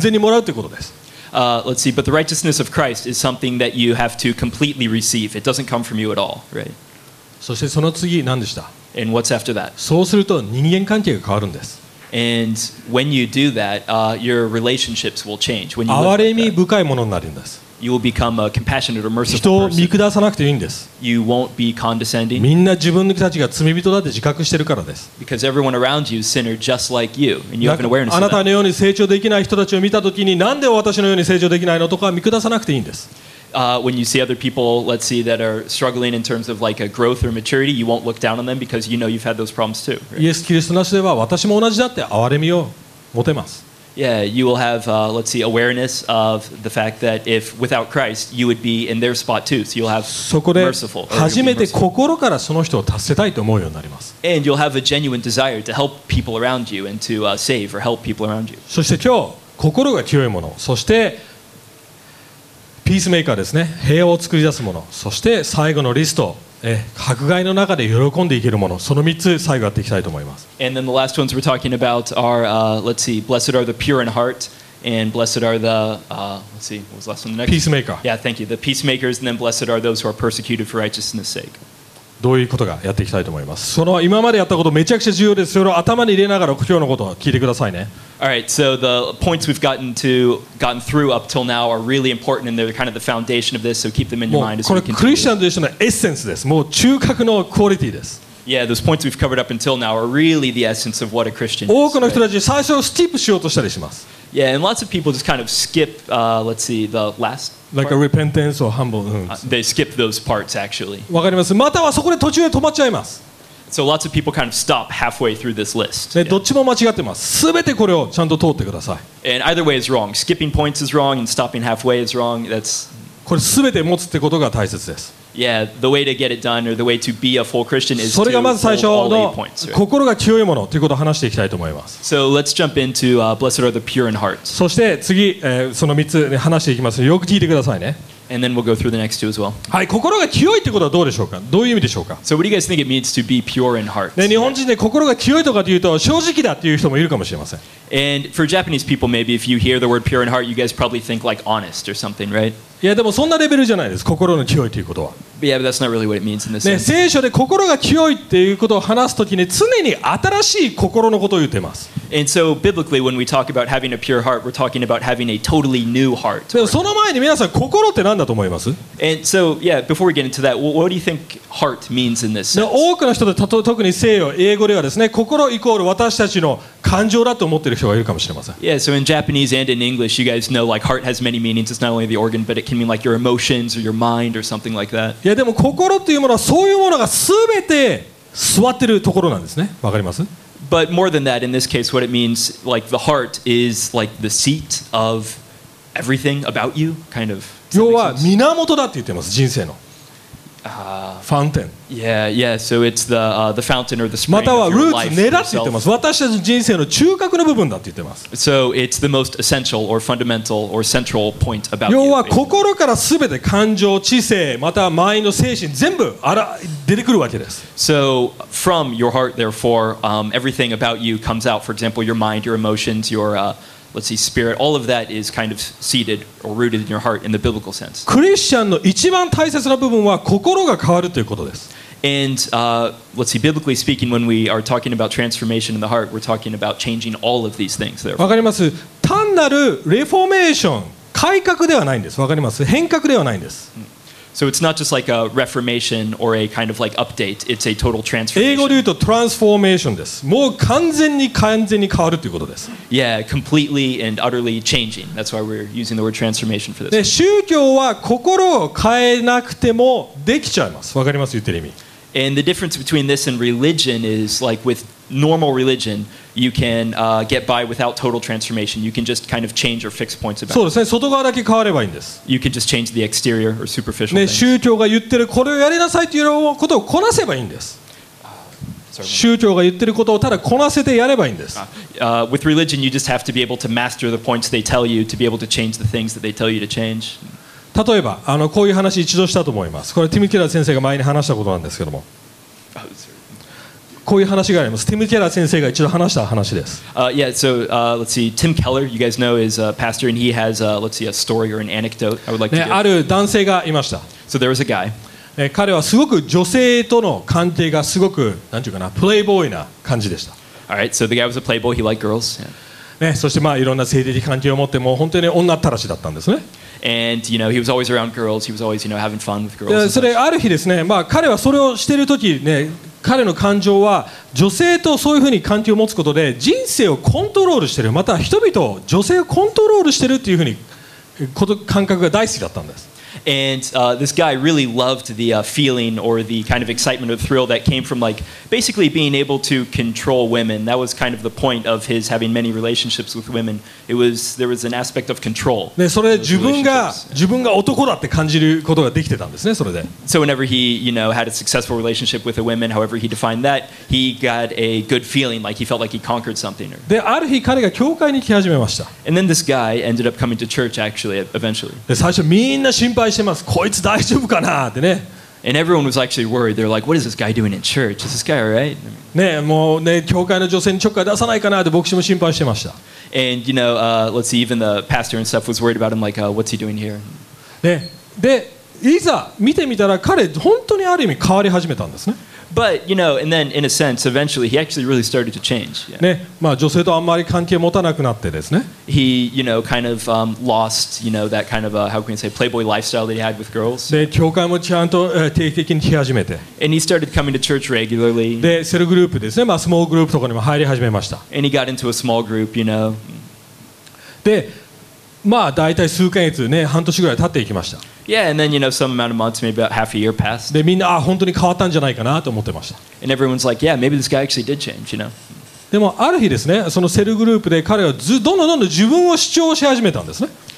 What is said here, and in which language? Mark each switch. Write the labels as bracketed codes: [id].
[en] Let's see, but the righteousness of Christ is something that you have to completely receive. It doesn't come from you at all, right? [ja] そしてその次何でした? [en] And what's after that? [ja] そうすると人間関係が変わるんです。 [en] And when you do that, your relationships will change. When you live like that, [ja] 哀れみ深いものになるんです。 [en] You will become a compassionate or merciful [ja] 人を見下さなくていいんです。 [en] You won't be condescending. みんな自分たちが罪人だって自覚してるからです。 Because everyone around you is sinner just like you. And you have an awareness [ja] of that. あなたのように成長できない人たちを見たときに、なんで私のように成長できないのとか見下さなくていいんです。 [en] When you see other people, let's see, that are struggling in terms of like a growth or maturity, you won't look down on them because you know you've had those problems too. [ja] イエス・キリストなしでは私も同じだって哀れみを持てます。 [en] Yeah, you will have, let's see, awareness of the fact that if without Christ, you would be in their spot too. So you'll have merciful. And you'll have a genuine desire to help people around you and to save or help people around you. [ja] そして今日、心が清いもの、そしてピースメーカーですね、平和を作り出すもの、そして最後のリスト。迫害の中で喜んでいけるもの、その3つ最後やっていきたいと思います。 [en] And then the last ones we're talking about are, let's see, blessed are the pure in heart, and blessed are the, let's see, what was the last one? The next? Peacemaker. Yeah, thank you. The peacemakers, and then blessed are those who are persecuted for righteousness' sake. [ja] どういうことがやっていきたいと思います。その今までやったことめちゃくちゃ重要です。それを頭に入れながら今日のことを聞いてくださいね。 [en] All right, so the points we've gotten through up till now are really important, and they're kind of the foundation of this, so keep them in your mind as we continue. [ja] もうこれクリスチャンとしてのエッセンスです。もう中核のクオリティです。 [en] Yeah, those points we've covered up until now are really the essence of what a Christian is. [ja] 多くの人たち最初をスキップしようとしたりします。 [en] Yeah, and lots of people just kind of skip, let's see, the last part. Like a repentance or humble. They skip those parts, actually. [ja] わかります。またはそこで途中で止まっちゃいます。 [en] So lots of people kind of stop halfway through this list. [ja] ね、どっちも間違ってます。すべてこれをちゃんと通ってください。 [en] And either way is wrong. Skipping points is wrong and stopping halfway is wrong. That's [ja] これすべて持つってことが大切です。 [en] Yeah, the way to get it done or the way to be a full Christian is [ja] それがまず最初の [en] points, right? [ja] 心が清いものということを話していきたいと思います。 [en] So let's jump into blessed are the pure in heart. [ja] そして次、その3つ、ね、話していきますので。よく聞いてくださいね。 [en] And then we'll go through the next two as well. [ja] はい、心が清いってことはどうでしょうか。どういう意味でしょうか。 [en] So what do you guys think it means to be pure in heart? [ja] ね、日本人で心が清いとかというと正直だっていう人もいるかもしれません。 [en] And for Japanese people, maybe if you hear the word pure in heart, you guys probably think like honest or something, right? [ja] いやでもそんなレベルじゃないです。心の清いということは。 [en] Yeah, but that's not really what it means in this sense. [ja] ね、聖書で心が清いっていうことを話すときに常に新しい心のことを言ってます。 [en] And so biblically, when we talk about having a pure heart, we're talking about having a totally new heart. [ja] でもその前に皆さん心って何だと思います? [en] And so, yeah, before we get into that, what do you think heart means in this sense? [ja] 多くの人で特に西洋英語ではですね、心イコール私たちの感情だと思っている人がいるかもしれません。 [en] Yeah, so in Japanese and in English, you guys know like heart has many meanings. It's not only the organ, but it can mean like your emotions or your mind or something like that. [ja] いやでも心というものはそういうものが全て座ってるところなんですね。わかります? [en] But more than that, in this case, what it means, like the heart is like the seat of everything about you, kind of. [ja] 要は源だって言ってます、人生の。 [en] Fountain. Yeah, yeah. So it's the fountain or the spring of [ja] またはルーツ、根だって言ってます。私たちの人生の中核の部分だって言ってます。 [en] So it's the most essential or fundamental or central point about you. [ja] 要は心からすべて感情、知性、またマインド、精神、全部出てくるわけです。 [en] So from your heart, therefore, everything about you comes out. For example, your mind, your emotions, your let's see, spirit, all of that is kind of seated or rooted in your heart in the biblical sense. [ja] クリスチャンの一番大切な部分は心が変わるということです。 [en] And let's see, biblically speaking, when we are talking about transformation in the heart, we're talking about changing all of these things there. [ja] わかります。単なるリフォーメーション、改革ではないんです。わかります。変革ではないんです。 [en] So it's not just like a reformation or a kind of like update. It's a total transformation. [ja] 英語で言うと transformation です。もう完全に変わるということです。 [en] Yeah, completely and utterly changing. That's why we're using the word transformation for this. [ja] で、宗教は心を変えなくてもできちゃいます。わかります？言ってる意味。 [en] And the difference between this and religion is like with normal religion, you can get by without total transformation. You can just kind of change or fix points about [ja] it. そうですね。外側だけ変わればいいんです。 [en] You can just change the exterior or superficial things. [ja] 宗教が言ってるこれをやりなさいということをこなせばいいんです。宗教が言ってることをただこなせてやればいいんです。 [en] With religion, you just have to be able to master the points they tell you to be able to change the things that they tell you to change. [ja] 例えばこういう話一度したと思います。これティム・ケラー先生が前に話したことなんですけども、こういう話があります。ティム・ケラー先生が一度話した話です。 [en] Yeah, so let's see. Tim Keller, you guys know, is a pastor, and he has a, let's see, a story or an anecdote I would like to give. [ja] ある男性がいました。 [en] So there was a guy. [ja] 彼はすごく女性との関係がすごく何ていうかな、プレイボーイな感じでした。 [en] All right, so the guy was a playboy. He liked girls.、 [ja] Yeah. ね、そしてまあいろんな性的関係を持って、もう本当に女ったらしだったんですね。 [en] And you know he was always around girls. He was always you know having fun with girls. [ja] それある日ですね。まあ彼はそれをしている時ね、彼の感情は女性とそういうふうに関係を持つことで人生をコントロールしている。また人々を女性をコントロールしているっていうふうにこと感覚が大好きだったんです。 [en] And this guy really loved the feeling or the kind of excitement or thrill that came from like basically being able to control women. That was kind of the point of his having many relationships with women. It was there was an aspect of control. [ja] ね、それで自分が男だって感じることができてたんですね、それで。 [en] So whenever he you know had a successful relationship with a woman, however he defined that, he got a good feeling, like he felt like he conquered something. [ja] で、ある日彼が教会に来始めました。 [en] And then this guy ended up coming to church actually eventually. [ja] で、最初みんな心配してます。こいつ大丈夫かなってね。 [en] And everyone was actually worried. They're like, "What is this guy doing in church? Is this guy all right?" [ja] ね、もうね、教会の女性にちょっかい出さないかなって牧師も心配してました。 [en] And you know, let's see, even the pastor and stuff was worried about him. Like, what's he doing here? [ja] ね、で、いざ見てみたら彼本当にある意味変わり始めたんですね。 [en] But you know, and then in a sense, eventually he actually really started to change.、Yeah. [ja] ね、まあ女性とあんまり関係持たなくなってですね。 [en] He you know kind of lost you know that kind of a, how can we say playboy lifestyle that he had with girls. [ja] で教会もちゃんと定期的に来始めて。 [en] And he started coming to church regularly. [ja] でセルグループですね、まあスモールグループとかにも入り始めました。 [en] And he got into a small group, you know. [ja] で、まあだいたい数ヶ月ね、半年ぐらい経っていきました。 [en] Yeah, and then you know some amount of months, maybe about half a year passed. [ja] で、みんな、あ、本当に変わったんじゃないかなと思ってました。 [en] And everyone's like, yeah, maybe this guy actually did change, you know. [ja] でもある日ですね、そのセルグループで彼はどんどん自分を主張し始めたんですね。